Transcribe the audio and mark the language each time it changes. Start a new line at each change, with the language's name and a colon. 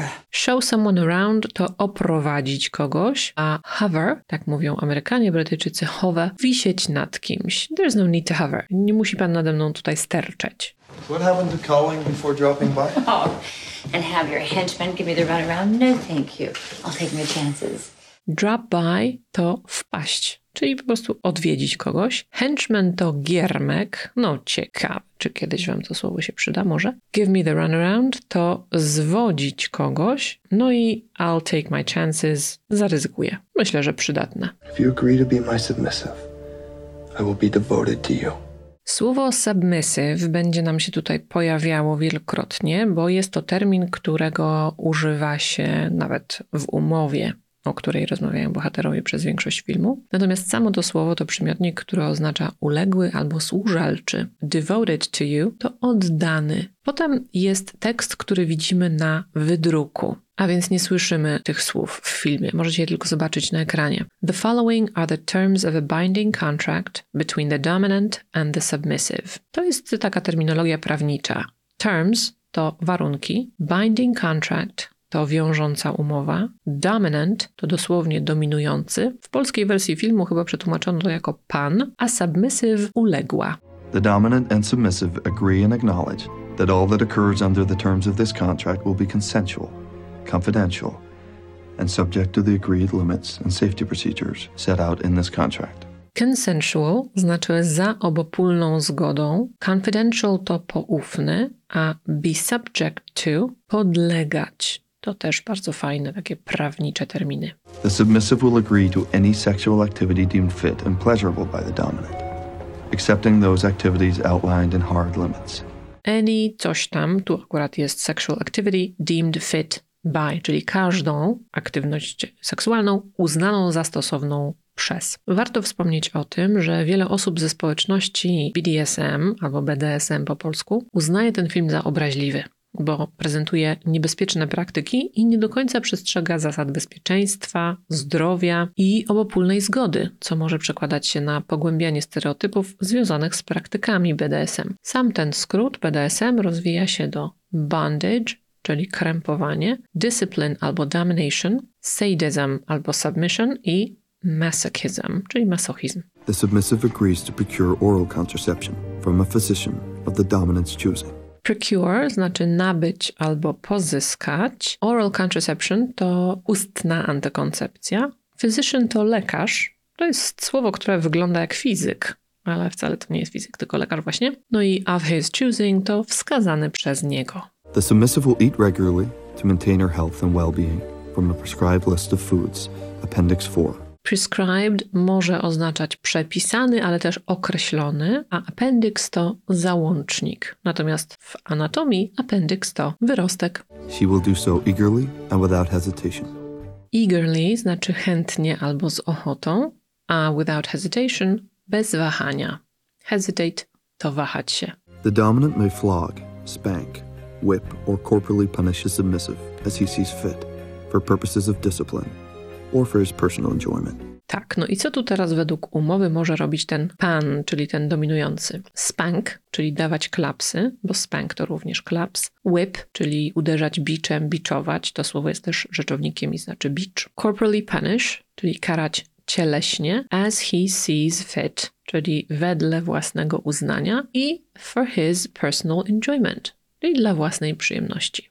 English: Show someone around
Polish: to oprowadzić kogoś, a hover, tak mówią Amerykanie, Brytyjczycy, hover, wisieć nad kimś.
English: There's no need to hover.
Polish: Nie musi pan nade mną tutaj sterczeć.
English: What happened to calling before dropping by? Oh, and have your henchmen give me the runaround? No, thank you. I'll take my chances.
Polish: Drop by to wpaść, czyli po prostu odwiedzić kogoś. Henchman to giermek. No, ciekawe, czy kiedyś wam to słowo się przyda, może.
English: Give me the runaround
Polish: to zwodzić kogoś. No i
English: I'll take my chances.
Polish: Zaryzykuję. Myślę, że przydatne.
English: If you agree to be my submissive, I will be devoted to you.
Polish: Słowo submissive będzie nam się tutaj pojawiało wielokrotnie, bo jest to termin, którego używa się nawet w umowie, o której rozmawiają bohaterowie przez większość filmu. Natomiast samo to słowo to przymiotnik, który oznacza uległy albo służalczy.
English: Devoted to you
Polish: to oddany. Potem jest tekst, który widzimy na wydruku, a więc nie słyszymy tych słów w filmie. Możecie je tylko zobaczyć na ekranie.
English: The following are the terms of a binding contract between the dominant and the submissive.
Polish: To jest taka terminologia prawnicza. Terms to warunki, binding contract to wiążąca umowa, dominant to dosłownie dominujący. W polskiej wersji filmu chyba przetłumaczono to jako pan, a submissive uległa.
English: The dominant and submissive agree and acknowledge that all that occurs under the terms of this contract will be consensual, confidential, and subject to the agreed limits and safety procedures set out in this contract.
Polish: Consensual znaczy za obopólną zgodą, confidential to poufny, a be subject to podlegać. To też bardzo fajne takie prawnicze terminy.
English: The submissive will agree to any sexual activity deemed fit and pleasurable by the dominant, excepting those activities outlined in hard limits.
Polish: Any coś tam, tu akurat jest
English: sexual activity deemed fit by,
Polish: czyli każdą aktywność seksualną uznaną za stosowną przez. Warto wspomnieć o tym, że wiele osób ze społeczności BDSM albo BDSM po polsku uznaje ten film za obraźliwy, bo prezentuje niebezpieczne praktyki i nie do końca przestrzega zasad bezpieczeństwa, zdrowia i obopólnej zgody, co może przekładać się na pogłębianie stereotypów związanych z praktykami BDSM. Sam ten skrót BDSM rozwija się do bondage, czyli krępowanie, discipline albo domination, sadism albo submission i masochism, czyli masochizm.
English: The submissive agrees to procure oral contraception from a physician of the dominant's choosing.
Polish: Procure znaczy nabyć albo pozyskać. Oral contraception to ustna antykoncepcja. Physician to lekarz. To jest słowo, które wygląda jak fizyk, ale wcale to nie jest fizyk, tylko lekarz właśnie. No i
English: of his choosing
Polish: to wskazany przez niego.
English: The submissive will eat regularly to maintain her health and well-being from a prescribed list of foods, appendix 4.
Polish: Prescribed może oznaczać przepisany, ale też określony, a appendix to załącznik. Natomiast w anatomii appendix to wyrostek.
English: She will do so eagerly and without hesitation.
Polish: Eagerly znaczy chętnie albo z ochotą, a without hesitation bez wahania. Hesitate to wahać się.
English: The dominant may flog, spank, whip or corporally punish a submissive as he sees fit for purposes of discipline or for his personal enjoyment.
Polish: Tak, no i co tu teraz według umowy może robić ten pan, czyli ten dominujący? Spank, czyli dawać klapsy, bo spank to również klaps. Whip, czyli uderzać biczem, biczować, to słowo jest też rzeczownikiem i znaczy bicz. Corporally punish, czyli karać cieleśnie,
English: as he sees fit,
Polish: czyli wedle własnego uznania i
English: for his personal enjoyment,
Polish: czyli dla własnej przyjemności.